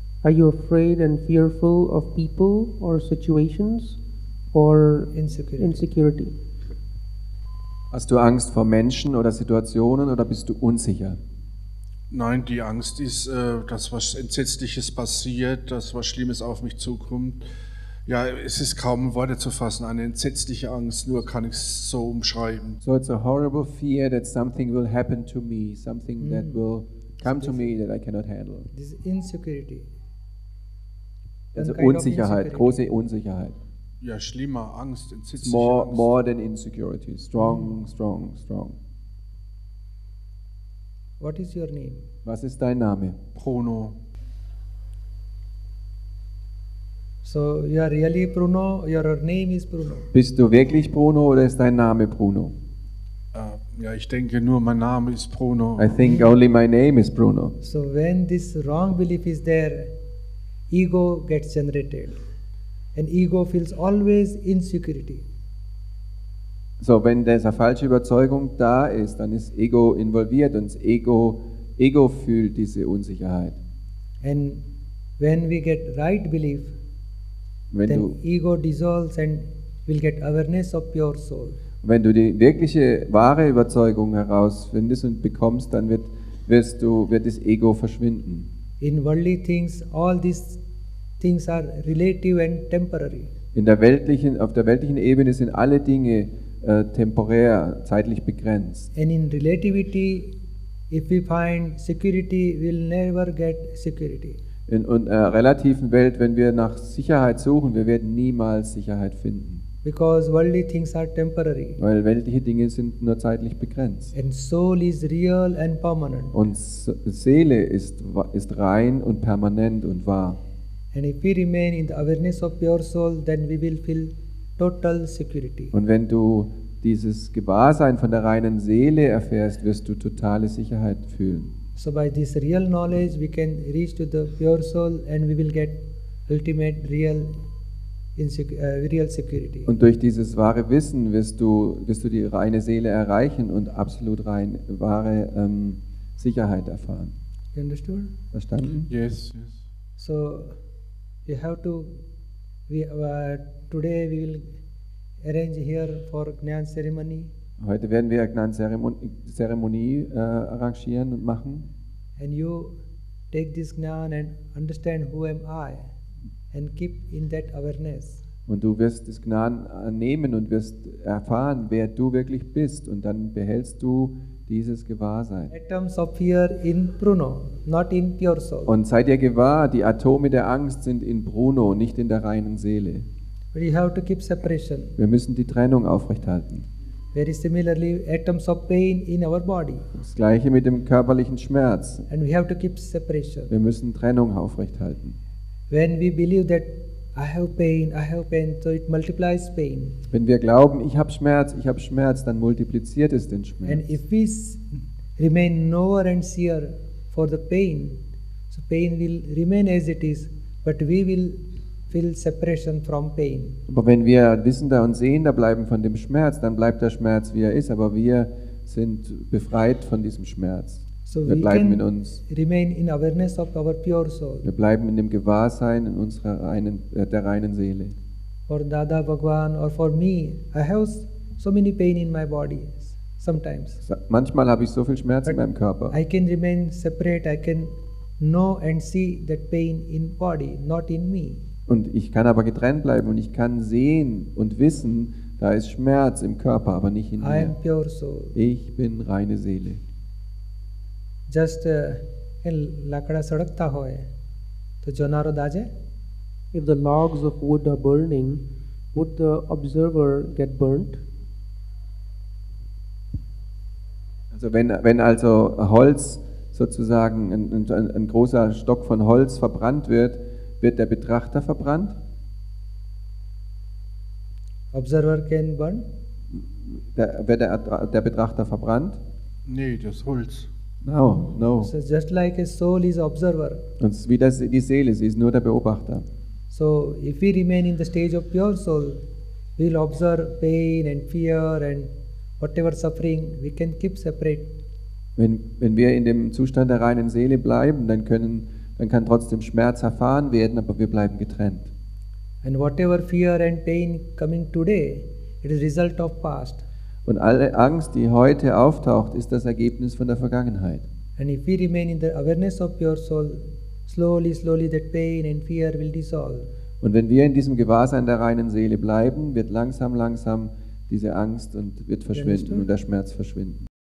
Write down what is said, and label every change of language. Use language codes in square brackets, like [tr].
[en] Are you afraid and fearful of people or situations or insecurity? [de] Hast du Angst vor Menschen oder Situationen oder bist du unsicher? Nein, die Angst ist, dass was Entsetzliches passiert, dass was Schlimmes auf mich zukommt. Ja, es ist kaum Worte zu fassen, eine entsetzliche Angst, nur kann ich es so umschreiben. [en] So it's a horrible fear that something will happen to me, something that will come to me that I cannot handle. This insecurity. [de] Also Unsicherheit, große Unsicherheit. Ja, schlimmer, Angst, entsetzliche [en] Angst. More than insecurity, strong. What is your name? [de] Was ist dein Name? Bruno. [en] So you are really Bruno, your name is Bruno. [de] Bist du wirklich Bruno oder ist dein Name Bruno? Ja, ich denke nur mein Name ist Bruno. [en] I think only my name is Bruno. So when this wrong belief is there, ego gets generated. And ego feels always insecurity. [de] So, wenn diese falsche Überzeugung da ist, dann ist Ego involviert und das Ego fühlt diese Unsicherheit. [en] And when we get right belief, [de] wenn [en] then [de] du, [en] ego dissolves and we'll get awareness of pure soul. [de] Wenn du die wirkliche, wahre Überzeugung herausfindest und bekommst, dann wird das Ego verschwinden. [en] In worldly things, all these things are relative and temporary. [de] Auf der weltlichen Ebene sind alle Dinge temporär, zeitlich begrenzt. [en] And in relativity, if we find security, we'll never get security. [de] In relativen Welt, wenn wir nach Sicherheit suchen, wir werden niemals Sicherheit finden. [en] Because worldly things are temporary. [de] Weil weltliche Dinge sind nur zeitlich begrenzt. [en] And soul is real and permanent. [de] Und Seele ist rein und permanent und wahr. [en] And if we remain in the awareness of pure soul, then we will feel total security. [de] Und wenn du dieses Gewahrsein von der reinen Seele erfährst, wirst du totale Sicherheit fühlen. [en] So by this real knowledge we can reach to the pure soul and we will get ultimate real security. [de] Und durch dieses wahre Wissen wirst du die reine Seele erreichen und absolut rein wahre Sicherheit erfahren. [en] You understood? [de] Verstanden? [en] Yes. So you have to today we will arrange here for Gnan ceremony. [de] Heute werden wir Gnan Zeremonie arrangieren und machen. [en] And you take this Gnan and understand who am I. and keep in that awareness. [de] Und du wirst das Gnaden annehmen und wirst erfahren, wer du wirklich bist, und dann behältst du dieses Gewahrsein. [en] Atoms of fear in Bruno, not in pure soul. [de] Und seid ihr gewahr, die Atome der Angst sind in Bruno, nicht in der reinen Seele. [en] We have to keep separation. [de] Wir müssen die Trennung aufrechthalten. [en] Very similarly, atoms of pain in our body. [de] Das gleiche mit dem körperlichen Schmerz. [en] And we have to keep separation. [de] Wir müssen Trennung aufrechthalten. [en] When we believe that I have pain, so it multiplies pain. [de] Wenn wir glauben, ich habe Schmerz, dann multipliziert es den Schmerz. [en] And if we remain knower and seer for the pain, so pain will remain as it is, but we will feel separation from pain. [de] Aber wenn wir wissender und sehender bleiben von dem Schmerz, dann bleibt der Schmerz, wie er ist, aber wir sind befreit von diesem Schmerz. [en] So [de] wir bleiben in uns. [en] Remain in awareness of our pure soul. [de] Wir bleiben in dem Gewahrsein in unserer reinen, der reinen Seele. [en] For Dada Bhagwan or for me, I have so many pain in my body sometimes. [de] Manchmal habe ich so viel Schmerz in meinem Körper. [en] I can remain separate. I can know and see that pain in body, not in me. [de] Und ich kann aber getrennt bleiben und ich kann sehen und wissen, da ist Schmerz im Körper, aber nicht in mir. [en] I am pure soul. [de] Ich bin reine Seele. [gu] Just lakda sadakta hoye to jonaro daje. [en] If the logs of wood are burning, would the observer get burnt? [de] Also wenn also Holz sozusagen ein großer Stock von Holz verbrannt wird, wird der Betrachter verbrannt? [en] Observer can burn? [de] Wird der Betrachter verbrannt? Nee, das Holz. [en] No. So just like a soul is observer. [de] Und wie das die Seele ist, sie ist nur der Beobachter. [en] So if we remain in the stage of pure soul, we'll observe pain and fear and whatever suffering, we can keep separate. [de] Wenn wir in dem Zustand der reinen Seele bleiben, dann kann trotzdem Schmerz erfahren werden, aber wir bleiben getrennt. [en] And whatever fear and pain coming today, it is result of past. [de] Und alle Angst, die heute auftaucht, ist das Ergebnis von der Vergangenheit. [en] And if we remain in the awareness of pure soul, slowly that pain and fear will dissolve. [de] Und wenn wir in diesem Gewahrsein der reinen Seele bleiben, wird langsam diese Angst und wird verschwinden und der Schmerz verschwinden.